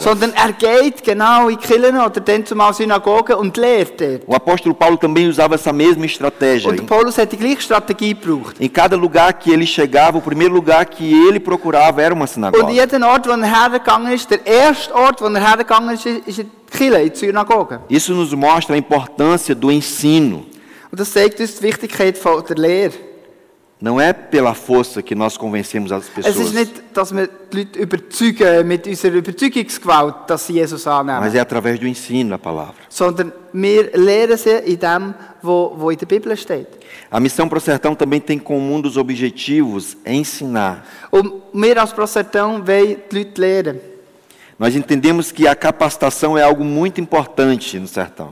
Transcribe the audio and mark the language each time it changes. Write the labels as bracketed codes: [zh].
[de] Sondern er geht genau in Kirche oder dann zumal Synagoge und lehrt dort. [pt] O apóstolo Paulo também usava essa mesma estratégia. [de] Und Paulus hat die gleiche Strategie gebraucht. [pt] Em cada lugar que ele chegava, o primeiro lugar que ele procurava era uma sinagoga. [de] Und jeden Ort, wo er hergegangen ist, der erste Ort, wo er hergegangen ist, ist in die Kirche, in die Synagoge. [pt] Isso nos mostra a importância do ensino. [de] Und das zeigt uns die Wichtigkeit der Lehre. [pt] Não é pela força que nós convencemos as pessoas. [de] Es ist nicht, dass wir die Leute überzeugen mit unserer Überzeugungsgewalt, dass sie Jesus annehmen. [pt] Mas é através do ensino da palavra. [de] Sondern wir lehren sie in dem, wo in der Bibel steht. [pt] A missão Pro Sertão também tem como um dos objetivos ensinar. [de] Und wir als Pro Sertão wollen die Leute lehren. [pt] Nós entendemos que a capacitação é algo muito importante no sertão.